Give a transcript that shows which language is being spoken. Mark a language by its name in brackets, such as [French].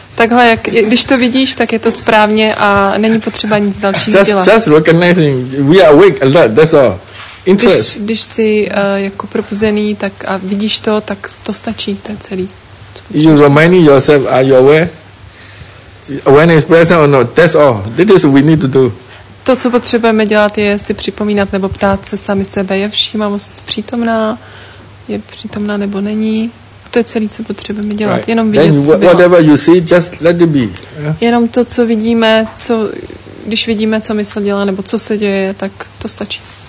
[Czech] Takhle, když to vidíš, tak je to správně a není potřeba nic dalšího dělat. [English] Just recognizing, we are awake a lot, that's all. Interest. [Czech] Když jsi jako probuzený, tak a vidíš to, tak to stačí, to je celý. [English] You reminding yourself, are you aware? Awareness present or not? That's all. This is what we need to do. T- [Czech] to, co potřebujeme dělat, je si připomínat nebo ptát se sami sebe, je všímavost přítomná, je přítomná nebo není. To je celé, co potřebujeme dělat. Jenom vidět, co bylo. [English] Whatever you see, just let it be. [Czech] Jenom to, co vidíme, co, když vidíme, co mysl dělá, nebo co se děje, tak to stačí.